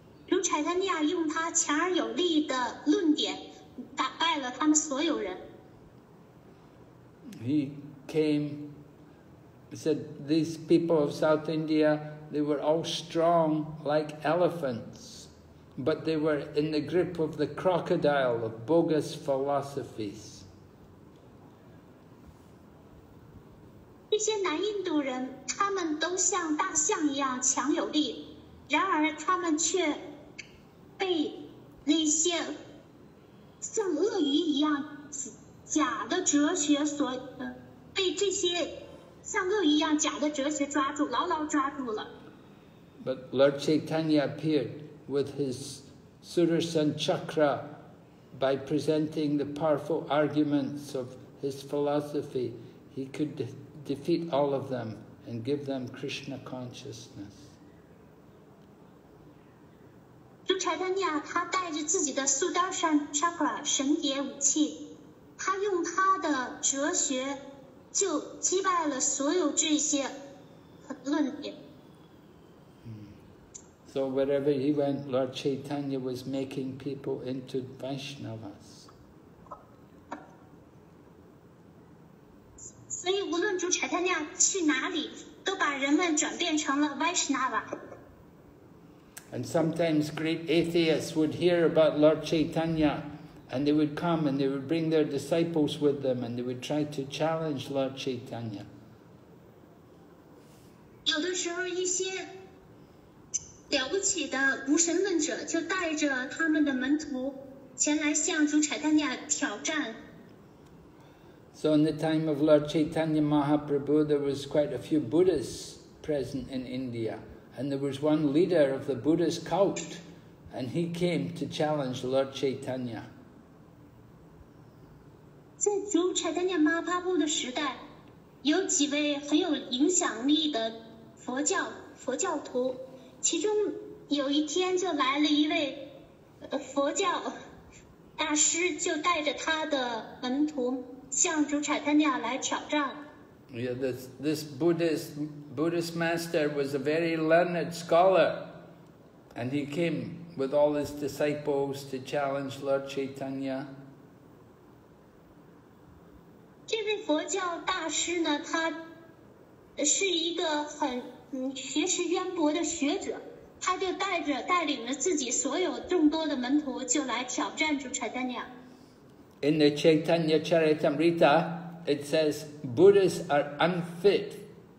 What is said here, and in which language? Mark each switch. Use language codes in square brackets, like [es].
[en] He came, said, these people of South India, they were all strong like elephants, but they were in the grip of the crocodile of bogus philosophies. [zh] 些南印度人他们都像大象一样强有力，然而他们却被那些像鳄鱼一样假的哲学所被这些像鳄鱼一样假的哲学抓住，牢牢抓住了。 [en] But Lord Chaitanya appeared with his Sudarshan Chakra by presenting the powerful arguments of his philosophy. He could defeat all of them and give them Krishna consciousness. [zh] 就柴丹尼亚，他带着自己的 Sudarshan Chakra 神蝶武器，他用他的哲学就击败了所有这些论点。 [en] So wherever he went, Lord Chaitanya was making people into Vaishnavas. [zh] So, 无论主柴丹尼亚去哪里，都把人们转变成了 Vaishnava. [en] And sometimes great atheists would hear about Lord Chaitanya, and they would come and they would bring their disciples with them, and they would try to challenge Lord Chaitanya. [zh] 有的时候一些了不起的无神论者就带着他们的门徒前来向主柴丹尼亚挑战。 [en] So in the time of Lord Chaitanya Mahaprabhu, there was quite a few Buddhists present in India, and there was one leader of the Buddhist cult, and he came to challenge Lord Chaitanya. [zh] 在主柴丹尼亚马哈布的时代，有几位很有影响力的佛教徒。其中有一天就来了一位佛教大师，就带着他的门徒向主柴丹尼亚来挑战。 [en] Yeah, this Buddhist master was a very learned scholar, and he came with all his disciples to challenge Lord Chaitanya. [zh] 这位佛教大师呢，他是一个很学识渊博的学者，他就带领着自己所有众多的门徒就来挑战主柴丹尼亚。 [en] In the Chaitanya Charitamrita, it says Buddhists are unfit.